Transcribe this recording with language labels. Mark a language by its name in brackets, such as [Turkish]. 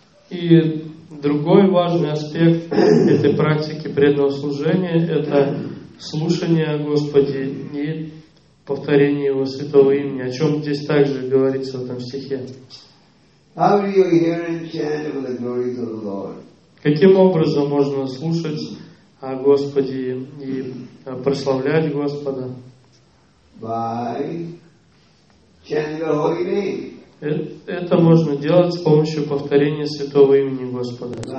[Russian] И другой важный аспект этой практики преданного служения – это слушание о Господе и повторение Его святого имени, о чем здесь также говорится в этом стихе. [English] How do you hear and chant about the glories of the Lord? [Russian] Каким образом можно слушать о Господе и прославлять Господа? [English] By chanting the holy name. [Russian] Это можно делать с помощью повторения святого имени Господа.